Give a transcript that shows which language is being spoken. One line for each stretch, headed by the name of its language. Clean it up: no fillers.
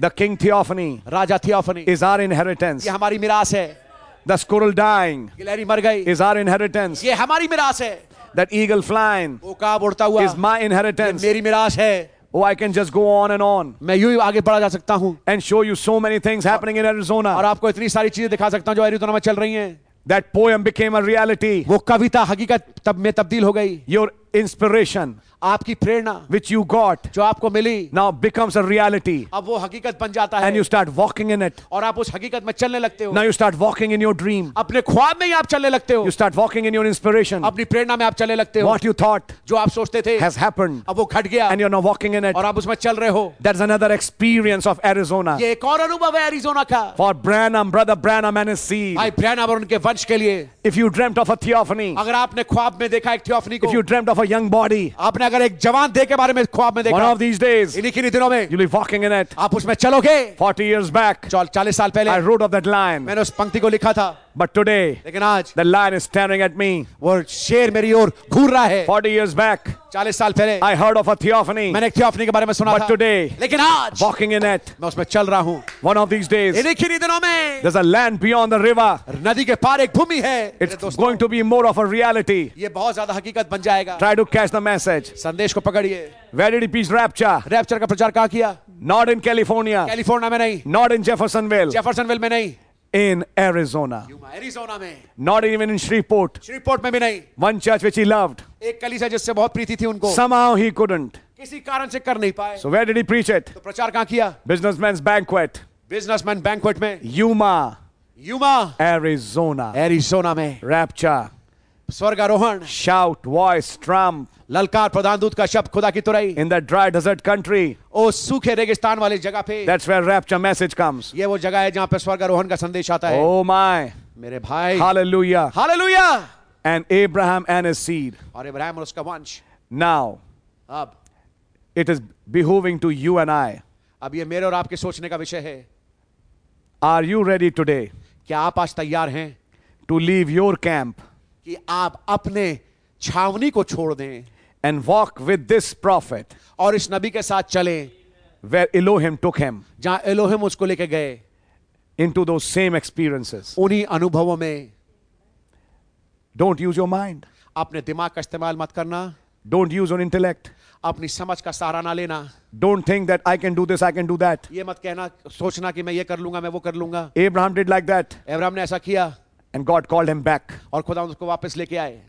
English: the king theophany,
Hindi: Raja theophany,
English: is our inheritance,
Hindi: ये हमारी मिरास है,
English: the squirrel dying,
Hindi: गिलहरी मर गई,
English: is our inheritance,
Hindi: ये हमारी मिरास है,
English: that eagle flying,
Hindi: वो काब उड़ता हुआ,
English: is my inheritance,
Hindi: ये मेरी मिरास है,
English: oh I can just go on and on,
Hindi: मैं यूं ही आगे बढ़ा जा सकता हूं,
English: and show you so many things happening in Arizona,
Hindi: और आपको इतनी सारी चीजें दिखा सकता हूं जो एरिजोना में चल रही हैं,
English: that poem became a reality,
Hindi: वो कविता हकीकत तब में तब्दील हो गई,
English: your inspiration,
Hindi: आपकी प्रेरणा,
English: which you got,
Hindi: जो आपको मिली,
English: now becomes a reality,
Hindi: अब वो हकीकत बन जाता है,
English: and you start walking in it,
Hindi: और आप उस हकीकत में चलने लगते हो,
English: now you start walking in your dream,
Hindi: अपने ख्वाब में ही आप चलने लगते हो,
English: you start walking in your inspiration,
Hindi: अपनी प्रेरणा में आप चलने लगते हो,
English: what you thought,
Hindi: जो आप सोचते थे,
English: has happened,
Hindi: अब वो घट गया,
English: and you're now walking in it,
Hindi: और आप उसमें चल रहे हो,
English: that's another experience of Arizona,
Hindi: ये एक और अनुभव है Arizona का,
English: for Branham, brother Branham and his seed,
Hindi: भाई ब्रैनम और उनके वंश के लिए,
English: if you dreamt of a theophany,
Hindi: अगर आपने ख्वाब में देखा एक theophany को,
English: if you dreamt of a young body,
Hindi: आपने अगर एक जवान देह के बारे में ख्वाब में देखा,
English: one of these days,
Hindi: इन्हीं किन्हीं दिनों में,
English: you'll be walking in it,
Hindi: आप उसमें चलोगे,
English: 40 years back,
Hindi: 40 साल पहले,
English: I wrote of that lion,
Hindi: मैंने उस पंक्ति को लिखा था,
English: but today,
Hindi: लेकिन आज,
English: the lion is staring at me,
Hindi: वो शेर मेरी ओर घूर रहा है,
English: 40 years back,
Hindi: 40 साल पहले,
English: I heard of a theophany,
Hindi: मैंने एक theophany के बारे में सुना था,
English: but today,
Hindi: लेकिन आज,
English: walking in it,
Hindi: मैं उसमें चल रहा हूं,
English: one of these days,
Hindi: इन्हीं किन्हीं दिनों में,
English: there's a land beyond the river,
Hindi: नदी के पार एक भूमि है,
English: it's going to be more of a reality,
Hindi: ये बहुत ज्यादा हकीकत बन जाएगा,
English: try to catch the message,
Hindi: संदेश को पकड़िए,
English: where did he preach rapture,
Hindi: rapture का प्रचार कहां किया,
English: not in California,
Hindi: California में नहीं,
English: not in Jeffersonville
Hindi: में नहीं,
English: in Arizona,
Hindi: Arizona में,
English: not even in Shreveport
Hindi: में भी नहीं,
English: one church which he loved,
Hindi: एक कलीसिया जिससे बहुत प्रीति थी उनको,
English: somehow he couldn't,
Hindi: किसी कारण से कर नहीं पाए,
English: so where did he preach it,
Hindi: तो प्रचार कहां किया,
English: businessman's banquet
Hindi: में,
English: Yuma,
Hindi: Arizona में,
English: rapture,
Hindi: स्वर्गारोहण,
English: shout, voice, trump,
Hindi: ललकार, प्रधान दूत का शब्द, खुदा की तुरई,
English: in the dry desert country,
Hindi: ओ सूखे रेगिस्तान वाले जगह पे,
English: that's where rapture message comes,
Hindi: ये वो जगह है जहाँ पे स्वर्गारोहण का संदेश आता है,
English: oh my,
Hindi: मेरे भाई,
English: hallelujah, and Abraham and his seed,
Hindi: और इब्राहिम और उसका वंश,
English: now,
Hindi: अब,
English: it is behooving to you and I,
Hindi: अब ये मेरे और आपके सोचने का विषय है,
English: are you ready today,
Hindi: क्या आप आज तैयार हैं,
English: to leave your camp,
Hindi: कि आप अपने छावनी को छोड़ दें,
English: and walk with this prophet,
Hindi: और इस नबी के साथ चले,
English: where Elohim took him,
Hindi: जहां एलोहिम उसको लेके गए,
English: into those same experiences,
Hindi: उन्हीं अनुभवों में,
English: don't use your mind,
Hindi: अपने दिमाग का इस्तेमाल मत करना,
English: Don't use your intellect.
Hindi: अपनी समझ का सहारा ना लेना.
English: Don't think that I can do this, I can do that.
Hindi: ये मत कहना, सोचना कि मैं ये कर लूँगा, मैं वो कर लूँगा.
English: Abraham did like that.
Hindi: Abraham ने ऐसा किया.
English: And God called him back.
Hindi: और खुदा उसको वापस लेके आए.